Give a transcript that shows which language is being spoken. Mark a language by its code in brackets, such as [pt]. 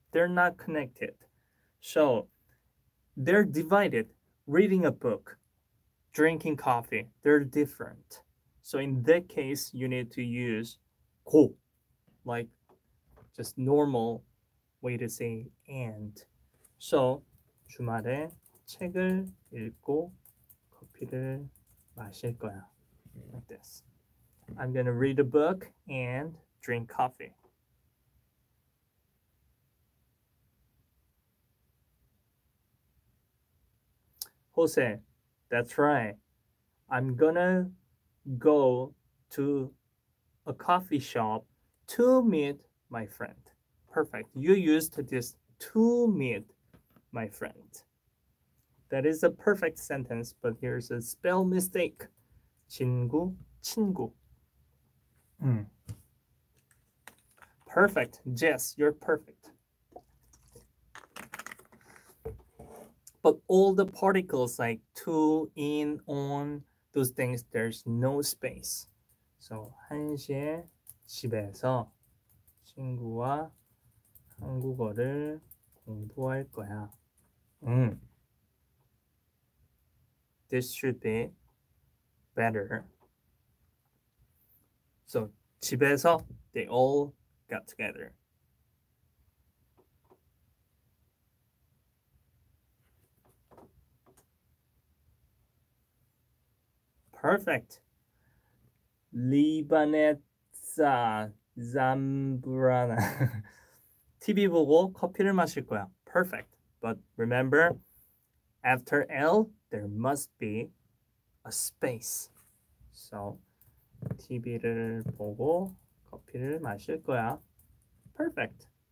[en] They're not connected. So they're divided. Reading a book, drinking coffee, they're different. So in that case, you need to use 고, like just normal way to say and. [ko] So 주말에 책을 읽고 커피를 마실 거야. [en] Like this. I'm gonna read a book and drink coffee. Jose, that's right. I'm gonna go to a coffee shop to meet my friend. Perfect. You used this to meet my friend. That is a perfect sentence, but here's a spell mistake. [ko] 친구, 친구. [en] Perfect. Jess, you're perfect. But all the particles like to, in, on, those things, there's no space. [ko] So 1시에 집에서 친구와 한국어를 공부할 거야. [en] This should be better. So 집에서 they all got together. Perfect. Libanesa Zambrana. [ko] TV 보고 커피를 마실 거야. [en] Perfect. But remember, after L, there must be a space. [ko] So, TV를 보고 커피를 마실 거야. [en] Perfect.